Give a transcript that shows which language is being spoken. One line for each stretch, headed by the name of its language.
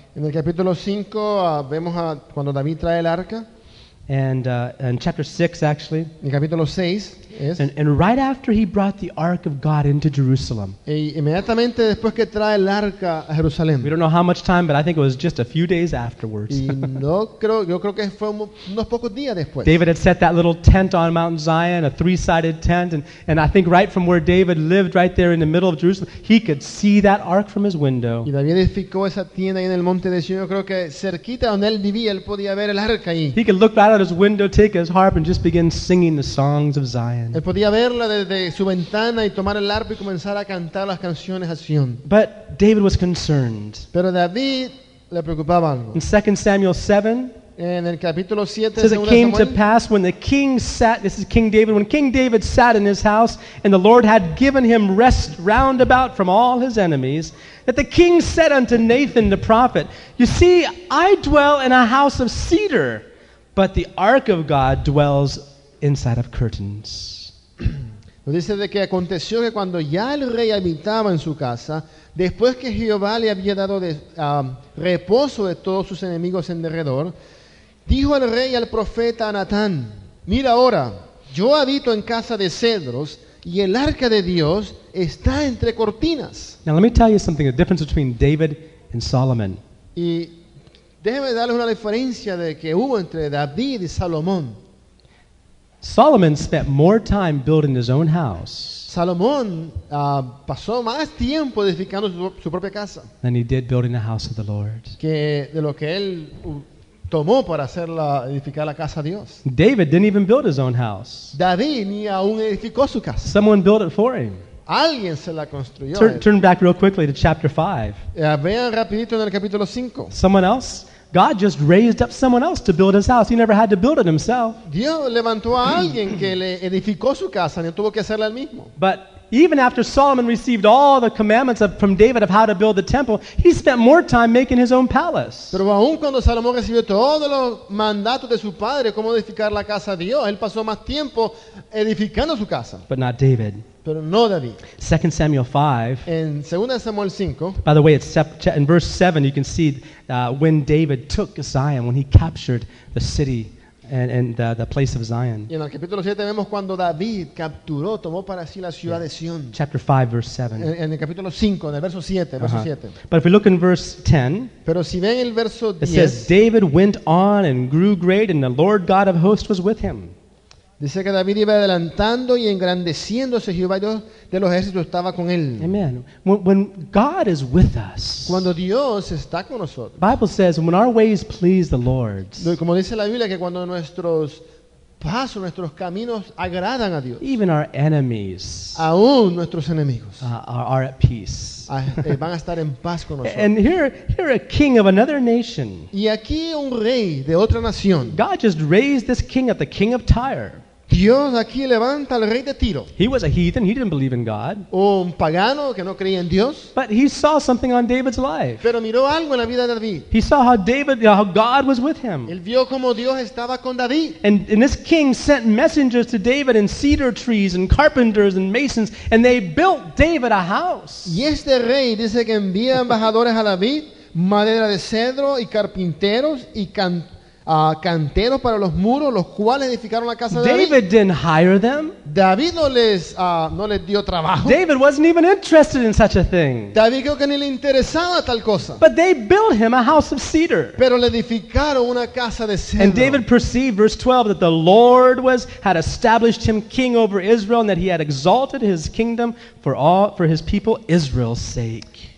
Spanish: En el capítulo 5 vemos a cuando David trae el arca.
English: And chapter 6 actually.
Spanish: En capítulo 6 es.
English: And right after he brought the ark of God into Jerusalem.
Spanish: E inmediatamente después que trae el arca a Jerusalén.
English: We don't know how much time, but I think it was just a few days afterwards.
Spanish: Y yo creo que fue unos pocos días después.
English: David had set that little tent on Mount Zion, a three-sided tent, and I think right from where David lived, right there in the middle of Jerusalem, he could see that ark from his window.
Spanish: Y David edificó esa tienda ahí en el monte de Sion. Yo creo que cerquita donde él vivía, él podía ver el arca ahí.
English: He could look out of his window, take his harp and just begin singing the songs of Zion.
Spanish: Él podía verla desde su ventana y tomar el arpa y comenzar a cantar las canciones a Sion.
English: But David was concerned.
Spanish: Pero David le preocupaba algo.
English: In 2 Samuel 7,
Spanish: en el capítulo 7,
English: says it came to pass when the king sat, this is King David, when King David sat in his house and the Lord had given him rest round about from all his enemies, that the king said unto Nathan the prophet, "You see, I dwell in a house of cedar, but the ark of God dwells inside of curtains."
Spanish: Dice de que aconteció que cuando ya el rey habitaba en su casa, después que Jehová le había dado reposo de todos sus enemigos en derredor, dijo el rey al profeta Natán, "Mira ahora, yo habito en casa de cedros, y el arca de Dios está entre cortinas."
English: Now let me tell you something, the difference between David and Solomon.
Spanish: Y déjeme darles una diferencia de que hubo entre David y Salomón.
English: Solomon spent more time building his own house.
Spanish: Salomón pasó más tiempo edificando su propia casa.
English: Than he did building the house of the Lord.
Spanish: Que de lo que él tomó para hacerla edificar la casa de Dios.
English: David didn't even build his own house.
Spanish: David ni aún edificó su casa.
English: Someone built it for him.
Spanish: Alguien se la construyó.
English: Turn back real quickly to chapter 5.
Spanish: Vean rapidito en el capítulo 5.
English: Someone else, God just raised up someone else to build his house. He never had to build it himself.
Spanish: Dios levantó a alguien que le edificó su casa, no tuvo que hacerla él mismo.
English: But even after Solomon received all the commandments from David of how to build the temple, he spent more time making his own palace.
Spanish: Pero aún cuando Salomón recibió todos los mandatos de su padre cómo edificar la casa de Dios, él pasó más tiempo edificando su casa.
English: But not David.
Spanish: Pero no David.
English: 2 Samuel 5.
Spanish: En 2 Samuel 5.
English: By the way, in verse 7, you can see when David took Zion, when he captured the city and the place of Zion.
Spanish: Y en el capítulo 7 vemos cuando David capturó, tomó para sí la ciudad de Sion.
English: Chapter 5, verse 7.
Spanish: En el capítulo 5, en el verso 7.
English: But if we look in verse 10,
Spanish: pero si ven el verso 10,
English: it says, David went on and grew great, and the Lord God of hosts was with him.
Spanish: Dice que David iba adelantando y engrandeciéndose, Jehová Dios de los ejércitos estaba con él.
English: Amen. When God is with us,
Spanish: cuando Dios está con nosotros,
English: Bible says, when our ways please the Lord,
Spanish: como dice la Biblia, que cuando nuestros pasos, nuestros caminos agradan a Dios,
English: even our enemies,
Spanish: aún nuestros enemigos,
English: are at peace.
Spanish: Van a estar en paz con nosotros.
English: And here a king of another nation.
Spanish: Y aquí un rey de otra nación.
English: God just raised this king up, the king of Tyre.
Spanish: Dios aquí levanta al rey de Tiro.
English: He was a heathen, he didn't believe in God.
Spanish: Un pagano que no creía en Dios.
English: But he saw something on David's life.
Spanish: Pero miró algo en la vida de David.
English: He saw how David, how God was with him.
Spanish: Él vio cómo Dios estaba con David.
English: And this king sent messengers to David and cedar trees and carpenters and masons, and they built David a house.
Spanish: Y este rey dice que envía embajadores a David, madera de cedro y carpinteros y canteros para los muros, los cuales edificaron la casa de David.
English: David didn't hire them.
Spanish: David no les dio trabajo.
English: David wasn't even interested in such a thing.
Spanish: David creo que ni le interesaba tal cosa.
English: But they built him a house of cedar.
Spanish: Pero le edificaron una casa de cedro.
English: And David perceived, verse 12, that the Lord had established him king over Israel, and that he had exalted his kingdom for his people Israel's sake.